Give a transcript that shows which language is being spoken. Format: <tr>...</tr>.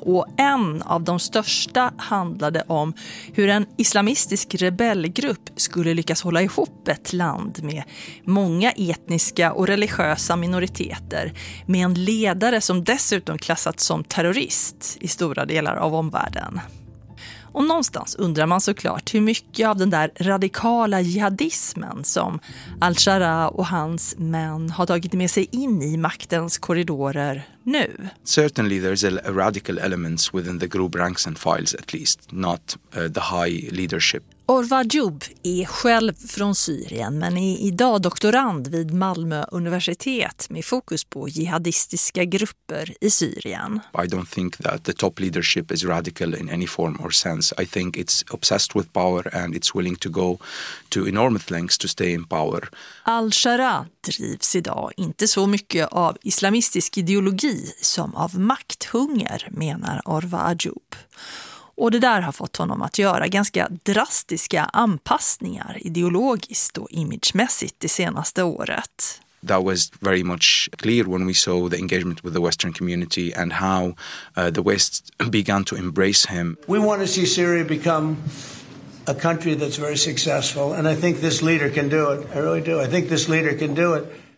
<sv>Och en av de största handlade om hur en islamistisk rebellgrupp skulle lyckas hålla ihop ett land med många etniska och religiösa minoriteter, med en ledare som dessutom klassats som terrorist i stora delar av omvärlden. Och någonstans undrar man såklart hur mycket av den där radikala jihadismen som al-Shara och hans män har tagit med sig in i maktens korridorer nu.</sv> <en>Certainly there's a radical elements within the group ranks and files at least, not the high leadership.</en> <sv>Orvar Djoub är själv från Syrien men är idag doktorand vid Malmö universitet med fokus på jihadistiska grupper i Syrien.</sv> <en>I don't think that the top leadership is radical in any form or sense. I think it's obsessed with power and it's willing to go to enormous lengths to stay in power.</en> <sv>Al-Shara drivs idag inte så mycket av islamistisk ideologi som av makthunger, menar Orvar Djoub. Och det där har fått honom att göra ganska drastiska anpassningar ideologiskt och imagemässigt det senaste året.</sv> <en>That was very much clear when we saw the engagement with the Western community and how the West began to embrace him. We want to see Syria become a country that's very successful and I think this leader can do it. I really do. I think this leader can do it.</en>